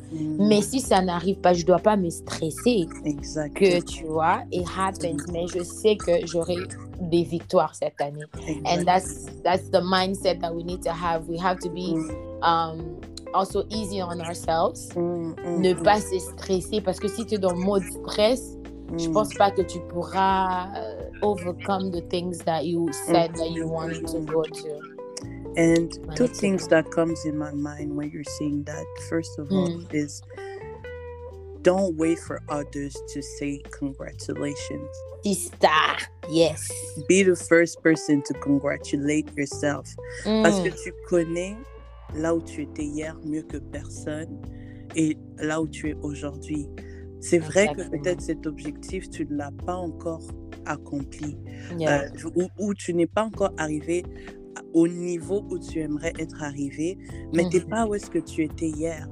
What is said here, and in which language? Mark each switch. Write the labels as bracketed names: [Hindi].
[French] Mais si ça n'arrive pas, je dois pas me stresser. [English] Exactly. [French] Que tu vois, [English] it happens. [French] Mais je sais que j'aurai des victoires cette année. [English] Exactly. And that's the mindset that we need to have. We have to be also easy on ourselves. [French] Ne pas se stresser, parce que si tu es dans mode stress, je pense pas que tu pourras [English] overcome the things that you said that you wanted to go to. And two things that comes in my mind when you're saying that, first of all, is don't wait for others to say congratulations. Sista, yes. Be the first person to congratulate yourself. [French] Parce que tu connais là où tu étais hier mieux que personne et là où tu es aujourd'hui. C'est vrai que peut-être cet objectif, tu ne l'as pas encore accompli. Ou tu n'es pas encore arrivé au niveau où tu aimerais être arrivé, mais tu n'es pas où est-ce que tu étais hier.